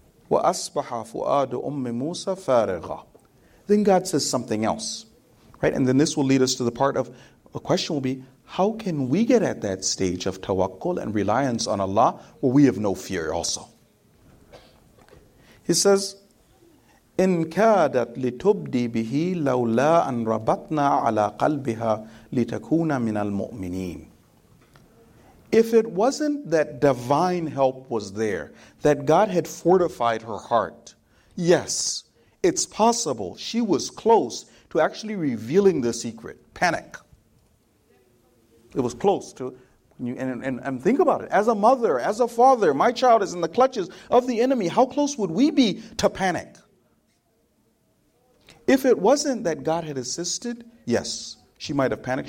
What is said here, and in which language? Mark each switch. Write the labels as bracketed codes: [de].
[ar] وَأَصْبَحَ فُؤَادُ أُمِّ مُوسَى فَارِغًا. [en] Then God says something else, right? And then this will lead us to the part of a question will be, how can we get at that stage of tawakkul and reliance on Allah where we have no fear also? He says, [ar] إِنْ كَادَتْ لِتُبْدِي بِهِ لَوْلَا أَنْ رَبَطْنَا عَلَىٰ قَلْبِهَا لِتَكُونَ مِنَ الْمُؤْمِنِينَ. [en] If it wasn't that divine help was there, that God had fortified her heart, yes, it's possible she was close to actually revealing the secret, panic. It was close to, and think about it, as a mother, as a father, my child is in the clutches of the enemy, how close would we be to panic? If it wasn't that God had assisted, yes, She might have panicked.